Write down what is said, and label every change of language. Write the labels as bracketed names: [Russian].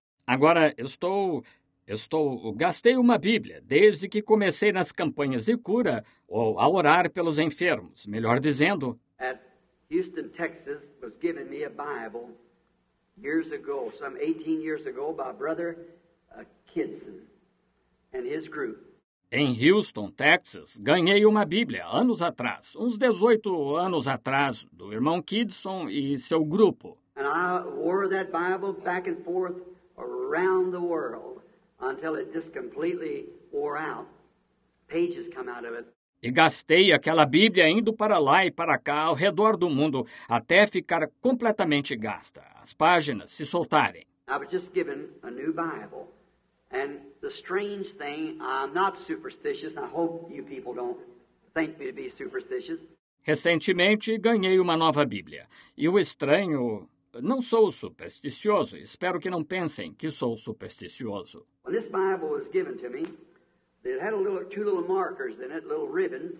[Portuguese] Agora estou gastei uma Bíblia desde que comecei nas campanhas de cura ou a orar pelos enfermos, melhor dizendo. [English] At Houston, Texas, was given me a Bible years ago, some 18 years ago, by brother Kinson and his group. [Portuguese] Em Houston, Texas, ganhei uma Bíblia anos atrás, uns 18 anos atrás, do irmão Kidson e seu grupo. [English] And I wore that Bible back and forth around the world until it just completely wore out. Pages come out of it. [Portuguese] E gastei aquela Bíblia indo para lá e para cá ao redor do mundo até ficar completamente gasta, as páginas se soltarem. [English] I was just given a new Bible. And the strange thing, I'm not superstitious, and I hope you people don't think me to be superstitious. [Portuguese] Recentemente, ganhei uma nova Bíblia. E o estranho, não sou supersticioso, espero que não pensem que sou supersticioso. [English] When this Bible was given to me, it had two little markers in it, little ribbons.